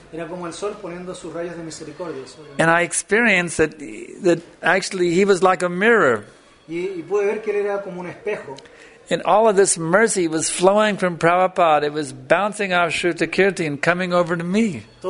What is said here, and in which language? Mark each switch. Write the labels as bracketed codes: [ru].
[es] Era como el sol poniendo sus rayos de misericordia. [en] And I experienced that actually he was like a mirror. [es] Y pude ver que él era como un espejo. [en] And all of this mercy was flowing from Prabhupada. It was bouncing off Shrutakirti and coming over to me.